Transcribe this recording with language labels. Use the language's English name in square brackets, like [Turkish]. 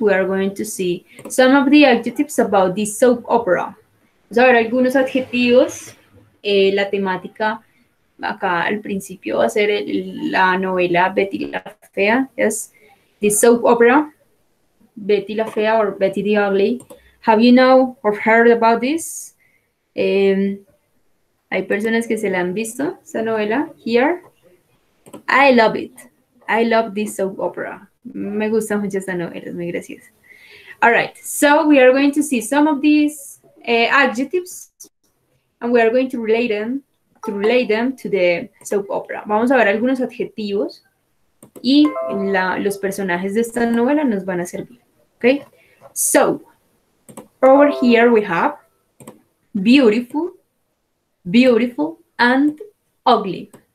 [English] We are going to see some of the adjectives about this soap opera. [Spanish] Vamos a ver algunos adjetivos. La temática acá al principio va a ser la novela Betty la Fea. [English] Yes, the soap opera, Betty la Fea or Betty the Ugly. Have you know or heard about this? [Spanish] Hay personas que se la han visto, esa novela, [English] here. I love it. I love this soap opera. [Spanish] Me gusta mucho esta novela, es muy graciosa. [English] All right, so we are going to see some of these adjectives and we are going to relate them to the soap opera. [Spanish] Vamos a ver algunos adjetivos y los personajes de esta novela nos van a servir, ¿ok? [English] So, over here we have beautiful, beautiful and ugly.